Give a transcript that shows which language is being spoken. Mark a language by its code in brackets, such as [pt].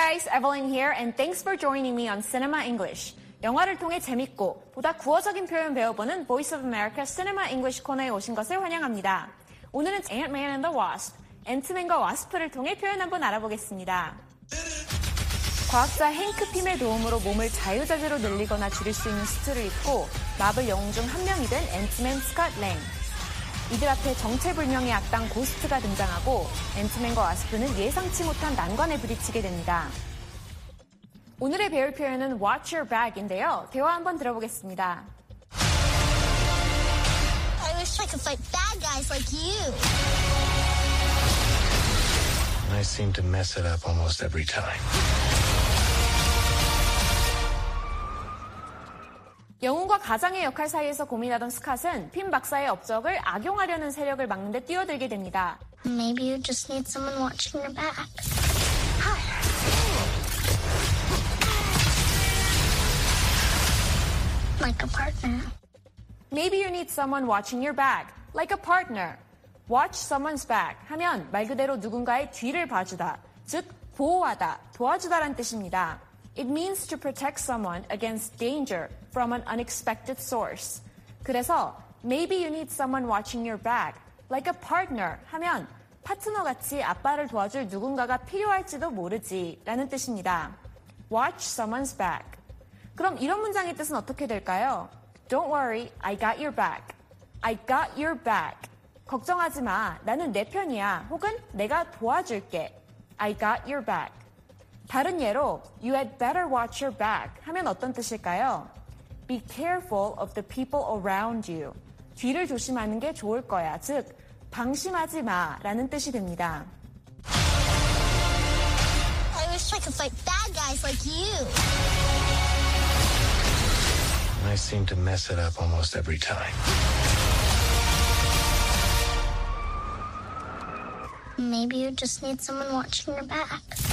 [en] Evelyn here, and thanks for joining me on Cinema English. [ko] 영화를 통해 재밌고 보다 구어적인 표현 배워보는 Voice of America Cinema English 코너에 오신 것을 환영합니다. 오늘은 Ant-Man and the Wasp, 앤트맨과 와스프를 통해 표현 한번 알아보겠습니다. 과학자 헹크 핌의 도움으로 몸을 자유자재로 늘리거나 줄일 수 있는 수트를 입고 마블 영웅 중 한 명이 된 앤트맨 스콧 랭. 이들 앞에 정체불명의 악당 고스트가 등장하고 앤트맨과 와스프는 예상치 못한 난관에 부딪히게 됩니다. 오늘의 배울 표현은 [en] watch your back [ko] 인데요. 대화 한번 들어보겠습니다. [en] I wish I could fight bad guys like you. I seem to mess it up almost every time. [ko] 영웅과 가장의 역할 사이에서 고민하던 스캇은 핀 박사의 업적을 악용하려는 세력을 막는 데 뛰어들게 됩니다. [en] Maybe you just need someone watching your back. Like a partner. Maybe you need someone watching your back. Like a partner. watch someone's back [ko] 하면 말 그대로 누군가의 뒤를 봐주다, 즉 보호하다, 도와주다란 뜻입니다. [en] It means to protect someone against danger from an unexpected source. [ko] 그래서 [en] maybe you need someone watching your back, like a partner [ko] 하면 파트너같이 아빠를 도와줄 누군가가 필요할지도 모르지 라는 뜻입니다. [en] Watch someone's back. [ko] 그럼 이런 문장의 뜻은 어떻게 될까요? [en] Don't worry, I got your back. I got your back. [ko] 걱정하지 마, 나는 내 편이야. 혹은 내가 도와줄게. [en] I got your back. [ko] 다른 예로, [en] you had better watch your back [ko] 하면 어떤 뜻일까요? [en] Be careful of the people around you. [ko] 뒤를 조심하는 게 좋을 거야. 즉, 방심하지 마 라는 뜻이 됩니다. [en] I wish I could fight bad guys like you. I seem to mess it up almost every time. Maybe you just need someone watching your back.